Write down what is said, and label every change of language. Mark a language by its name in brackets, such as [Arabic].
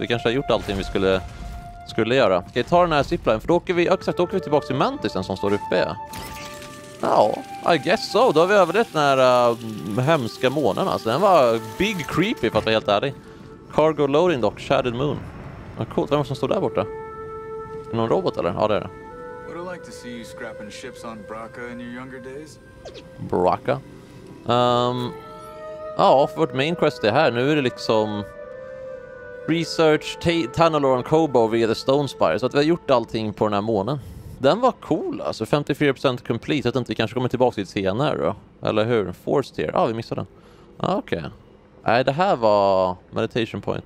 [Swedish] Vi kanske har gjort allting vi skulle göra. Ska vi ta den här zipline? För då åker vi, exakt, då åker vi tillbaka till Mantisen som står uppe. Ja, I guess so. Då har vi överlevt den här hemska månen. Alltså, den var big creepy för att vara helt ärlig. Cargo loading dock, Shattered Moon. Ja, coolt, vem är det som står där borta? Är någon robot eller? Ja, det är det. [English] Would I like to see you scrapping ships on Braca in your younger days? [Swedish] Braca? Ja, för vårt main quest är här. Nu är det liksom research, Tanalore och Kobo via The Stone Spire. Så att vi har gjort allting på den här månen. Den var cool alltså. 54% complete. Jag vet inte, vi kanske kommer tillbaka till senare då. Eller hur? Force tier. Ja, vi missade den. Okej. Nej, det här var meditation point.